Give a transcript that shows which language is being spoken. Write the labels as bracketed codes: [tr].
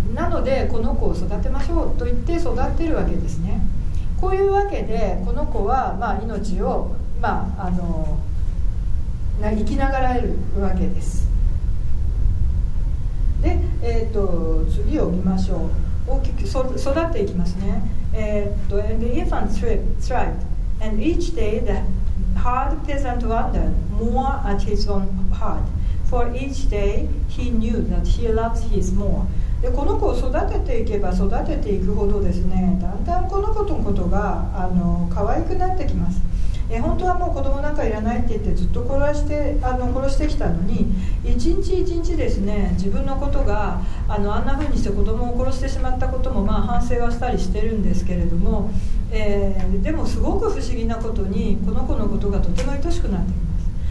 [ja] なのでこの子を育てましょうと言って育てるわけですね。こういうわけでこの子はまあ命を生きながらえるわけです。で、次を見ましょう。大きく育っていきますね。 [en] And the infant thrived, and each day the hard peasant wondered more at his own heart, for each day he knew that he loves his more. [ja] で、この子を育てていけば育てていくほどですね、だんだんこの子のことが可愛くなってきます。本当はもう子供なんかいらないって言ってずっと殺してきたのに、一日一日ですね、自分のことがあんな風にして子供を殺してしまったこともまあ反省はしたりしてるんですけれども、でもすごく不思議なことにこの子のことがとても愛しくなっています。